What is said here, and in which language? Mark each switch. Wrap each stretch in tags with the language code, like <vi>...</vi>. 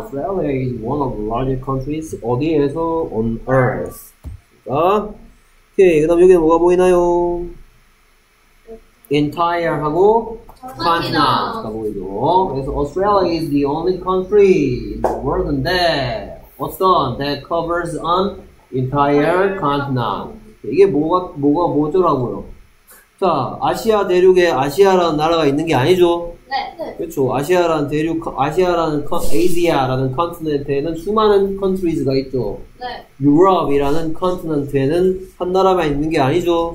<en>Australia is one of the largest countries</en> <ko>어디에서?</ko> <en>On Earth.</en> <ko>그러니까 오케이, 그 다음 여기는 뭐가 보이나요?</ko> <en>Entire</en> <ko>하고</ko> <en>Continent가</en> <ko>보이죠.</ko> <en>그래서 Australia is the only country in the world and that covers an entire continent.</en> <ko>이게 뭐가 뭐더라고요? 자, 아시아 대륙에 아시아라는 나라가 있는 게 아니죠? 네. 그렇죠. 아시아라는 대륙, 아시아라는 컨티넨트에는 수많은 countries가 있죠. 네. 유럽이라는 컨티넨트에는 한 나라만 있는 게 아니죠.</ko>